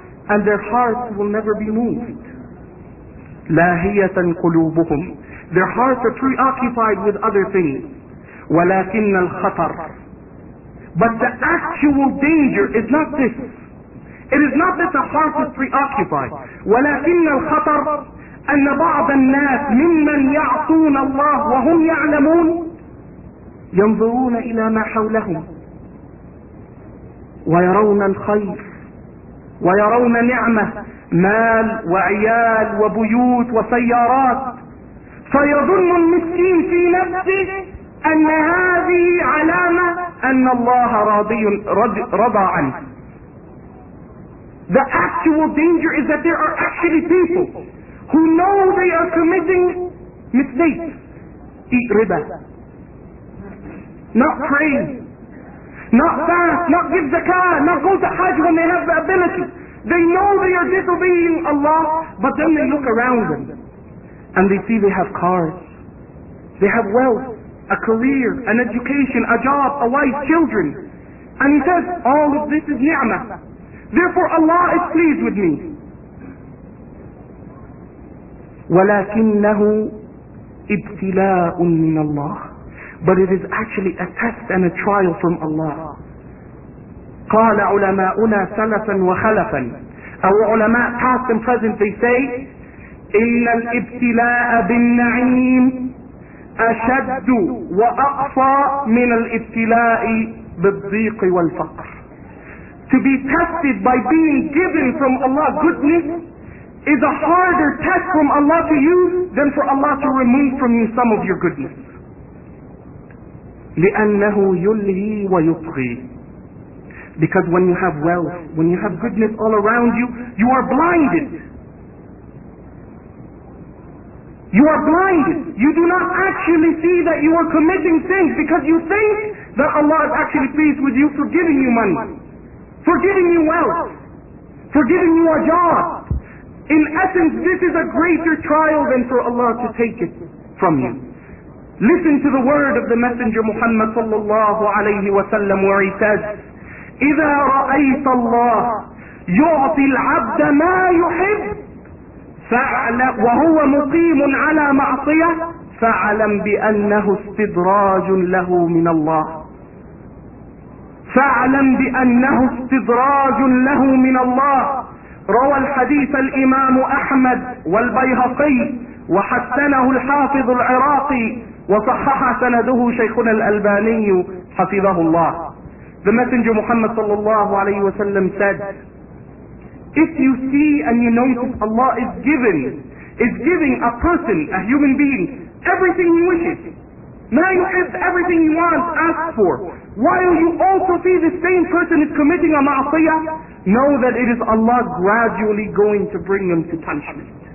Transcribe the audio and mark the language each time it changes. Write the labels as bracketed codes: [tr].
[en] and their hearts will never be moved. [ar] لاهيةً قلوبهم. [en] Their hearts are preoccupied with other things. [ar] ولكن الخطر. [en] But the actual danger is not this. It is not that the heart is preoccupied. [ar] ولكن الخطر أن بعض الناس ممن يعصون الله وهم يعلمون ينظرون إلى ما حولهم ويرون الخير ويرون نعمة مال وعيال وبيوت وسيارات فيظن المسكين في نفسه أن هذه علامة أن الله راضي رضى عنه. [en] The actual danger is that there are actually people who know they are committing mistakes. Eat riba. Not pray. Not fast. Not give zakah. Not go to hajj when they have the ability. They know they are disobeying Allah, but then they look around them and they see they have cars, they have wealth, a career, an education, a job, a wife, children. And he says, all of this is ni'mah. Therefore Allah is pleased with me. [ar] وَلَكِنَّهُ إِبْتِلَاءٌ مِّنَ اللَّهِ. [en] But it is actually a test and a trial from Allah. [ar] قال علماؤنا سلفا وخلفا أو علماء [en] past and present, they say [ar] إن الإبتلاء بالنعيم أشد وأقصى من الإبتلاء بالضيق والفقر. [en] To be tested by being given from Allah goodness is a harder test from Allah to you than for Allah to remove from you some of your goodness. [ar] لأنه يلهي ويطغي. [en] Because when you have wealth, when you have goodness all around you, you are blinded. You are blinded. You do not actually see that you are committing sins because you think that Allah is actually pleased with you for giving you money, for giving you wealth, for giving you a job. In essence, this is a greater trial than for Allah to take it from you. Listen to the word of the Messenger Muhammad sallallahu alayhi wa sallam, where he says, [ar] إذا رأيت الله يعطي العبد ما يحب وهو مقيم على معصية فاعلم بأنه استدراج له من الله. فاعلم بأنه استدراج له من الله. روى الحديث الإمام أحمد والبيهقي وحسنه الحافظ العراقي وصحح سنده شيخنا الألباني حفظه الله. [en] The Messenger Muhammad sallallahu alayhi wa sallam said, if you see and you notice Allah is giving a person, a human being, everything he wishes, ma yuhib, everything he wants, asks for, while you also see the same person is committing a ma'asiyah, know that it is Allah gradually going to bring them to punishment.